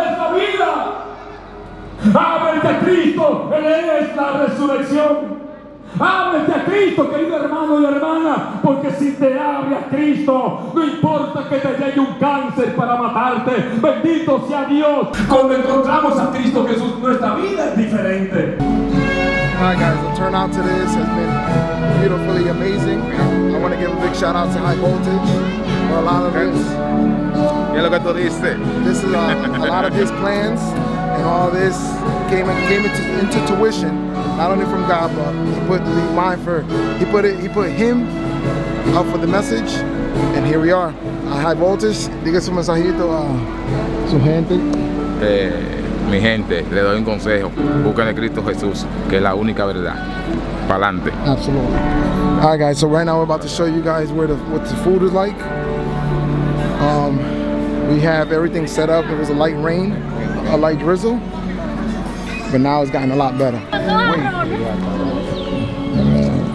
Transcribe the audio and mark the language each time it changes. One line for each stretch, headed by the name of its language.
Spanish: Él es la vida. Ábrete a Cristo. Él es la resurrección. Ábrete a Cristo, querido hermano y hermana. Porque si te abre a Cristo, no importa que te llegue un cáncer para matarte. Bendito sea Dios. Cuando encontramos a Cristo Jesús, nuestra vida es diferente.
English: All right, guys, the turnout to this has been beautifully amazing. I want to give a big shout out to High Voltage for a lot of this. Yeah, look at what you said. This is a lot of his plans, and all this came into tuition, not only from God, but he put him up for the message, and here we are.
Spanish: High Voltage, diga su mensajito a su gente. Mi gente, le doy un consejo. Busquen a Cristo Jesús, que es la única verdad. Pa'lante.
English: Absolutely. All right, guys, so right now we're about to show you guys what the food is like. We have everything set up. It was a light rain, a light drizzle. But now it's gotten a lot better. Wait.